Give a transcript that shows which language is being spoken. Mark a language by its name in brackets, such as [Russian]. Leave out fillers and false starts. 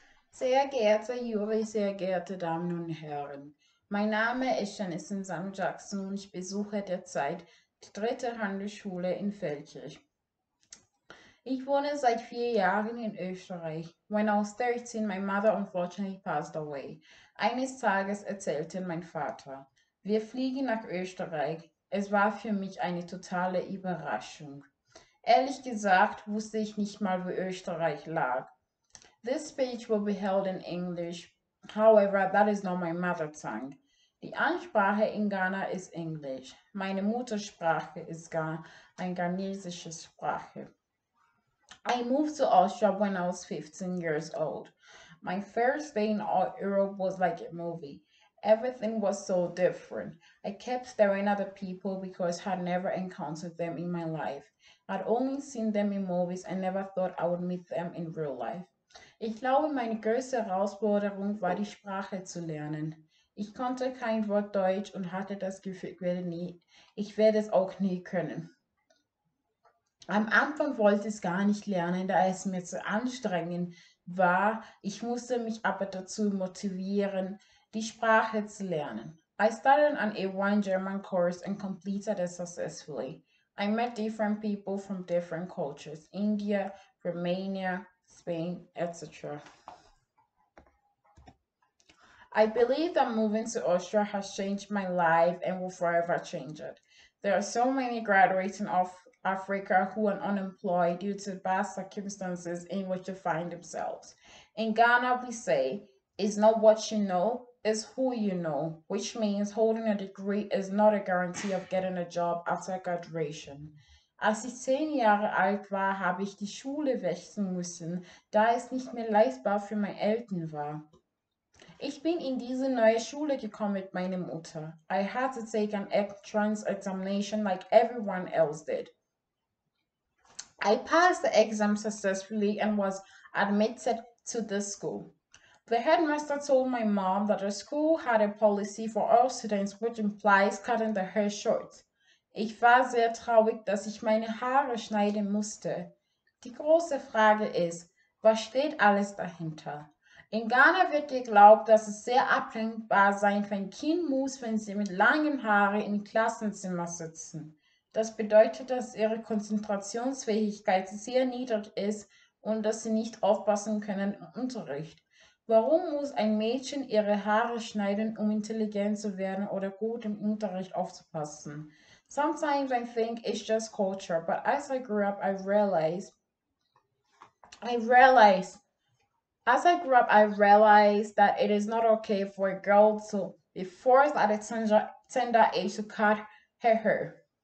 [German] Sehr geehrter Juri, sehr geehrte Damen und Herren, mein Name ist Jannyson Sam Jackson und ich besuche derzeit die dritte Handelsschule in Feldkirch. Ich wohne seit 4 Jahren in Österreich. [English] When I was 13, my mother unfortunately passed away. [German] Eines Tages erzählte mein Vater, wir fliegen nach Österreich. Es war für mich eine totale Überraschung. Ehrlich gesagt wusste ich nicht mal, wo Österreich lag. [English] This speech will be held in English. However, that is not my mother tongue. [German] Die Ansprache in Ghana ist Englisch. Meine Muttersprache ist eine ghanesische Sprache. [English] I moved to Austria when I was 15 years old. My first day in Europe was like a movie. Everything was so different. I kept staring at the people because I had never encountered them in my life. I'd only seen them in movies and never thought I would meet them in real life. [German] Ich glaube, meine größte Herausforderung war, die Sprache zu lernen. Ich konnte kein Wort Deutsch und hatte das Gefühl, ich werde es auch nie können. Am Anfang wollte ich es gar nicht lernen, da es mir zu anstrengend war. Ich musste mich aber dazu motivieren, die Sprache zu lernen. [English] I started on a one German course and completed it successfully. I met different people from different cultures, India, Romania, Spain, etc. I believe that moving to Austria has changed my life and will forever change it. There are so many graduating of Africa who are unemployed due to bad circumstances in which they find themselves. In Ghana, we say, it's not what you know, it's who you know, which means holding a degree is not a guarantee of getting a job after graduation. [German] Als ich 10 Jahre alt war, habe ich die Schule wechseln müssen, da es nicht mehr leistbar für meine Eltern war. Ich bin in diese neue Schule gekommen mit meiner Mutter. [English] I had to take an entrance examination like everyone else did. I passed the exam successfully and was admitted to the school. The headmaster told my mom that the school had a policy for all students which implies cutting their hair short. [German] Ich war sehr traurig, dass ich meine Haare schneiden musste. Die große Frage ist, was steht alles dahinter? In Ghana wird geglaubt, dass es sehr ablenkbar sein für ein Kind muss, wenn sie mit langen Haaren im Klassenzimmer sitzen. Das bedeutet, dass ihre Konzentrationsfähigkeit sehr niedrig ist und dass sie nicht aufpassen können im Unterricht. Warum muss ein Mädchen ihre Haare schneiden, um intelligent zu werden oder gut im Unterricht aufzupassen? [English] Sometimes I think it's just culture, but as I grew up, I realized that it is not okay for a girl to be forced at a tender age to cut her hair.